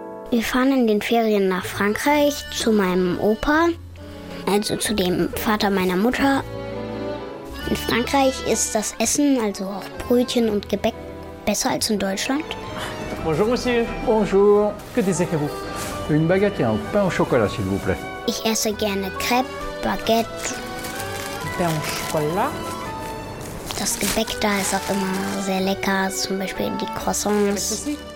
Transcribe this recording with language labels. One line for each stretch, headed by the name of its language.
German: Wir fahren in den Ferien nach Frankreich zu meinem Opa, also zu dem Vater meiner Mutter. In Frankreich ist das Essen, also auch Brötchen und Gebäck, besser als in Deutschland.
French: Bonjour, monsieur. Bonjour. Que désirez-vous? Une baguette et un pain au chocolat, s'il vous plaît.
German: Ich esse gerne Crêpe, Baguette.
French: Pain au chocolat.
German: Das Gebäck da ist auch immer sehr lecker, zum Beispiel die Croissants.